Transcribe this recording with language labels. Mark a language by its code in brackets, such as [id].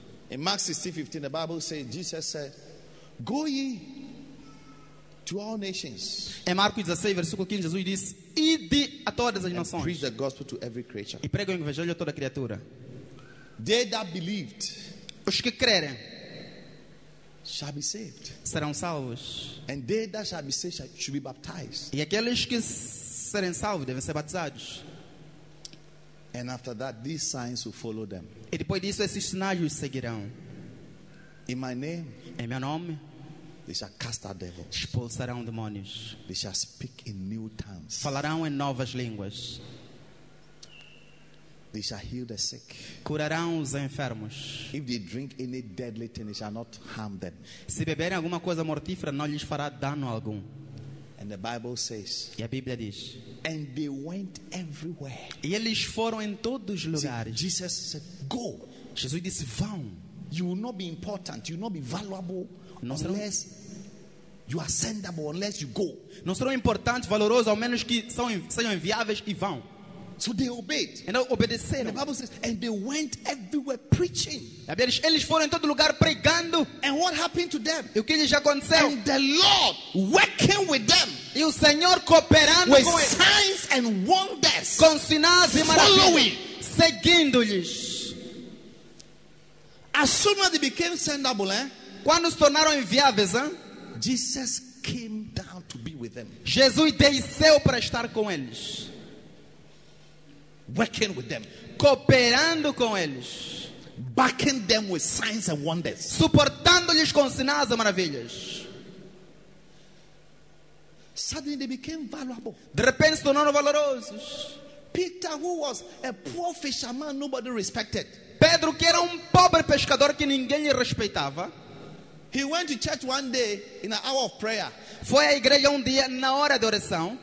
[en] In Mark 16:15, the Bible says, Jesus said, go ye to all nations. [pt] Em Marcos 16, versículo 15, Jesus disse, ide a todas as nações. [en] And preach the gospel to every creature. [pt] E pregue o evangelho a toda criatura. [en] They that believed. [pt] Os que crerem. [en] Shall be saved. [pt] Serão salvos. [en] And they that shall be saved should be baptized. [pt] E aqueles que serem salvos devem ser batizados. [en] And after that, these signs will follow them. [pt] E depois disso, esses sinais os seguirão. [en] In my name, [pt] em meu nome, [en] they shall cast out devils. [pt] Expulsarão demônios. [en] They shall speak in new tongues. [pt] Falarão em novas línguas. [en] They shall heal the sick. [pt] Curarão os enfermos. [en] If they drink any deadly thing, it shall not harm them. [pt] Se beberem alguma coisa mortífera, não lhes fará dano algum. [en] And the Bible says. [pt] E a Bíblia diz. [en] And they went everywhere. [pt] E eles foram em todos os lugares. [en] See, Jesus said, go. [pt] Jesus disse, vão. [en] You will not be important. You will not be valuable unless [pt] não serão... [en] you are sendable, unless you go. [pt] Não serão importantes, valorosos, ao menos que sejam enviáveis e vão. [en] So they obeyed. And they [pt] obedeceram. [en] The Bible says, and they went everywhere preaching. [pt] Eles foram em todo lugar pregando. [en] And what happened to them? [pt] E o que lhes aconteceu? [en] And the Lord working with them. [pt] E o Senhor cooperando [en] with [pt] com eles. [en] With signs and wonders. [pt] Com sinais e maravilhas. [en] Following. [pt] Seguindo-lhes. [en] As soon as they became sendable, eh? [pt] Quando se tornaram enviáveis, eh? [en] Jesus came down to be with them. [pt] Jesus desceu para estar com eles. [en] Working with them, [pt] cooperando com eles, [en] backing them with signs and wonders, [pt] suportando-lhes com sinais e maravilhas. [en] Suddenly they became valuable. [pt] De repente se tornaram valorosos. [en] Peter, who was a poor fisherman nobody respected. [pt] Pedro, que era pobre pescador que ninguém respeitava, [en] He went to church one day in an hour of prayer. [pt] Foi à igreja dia na hora de oração.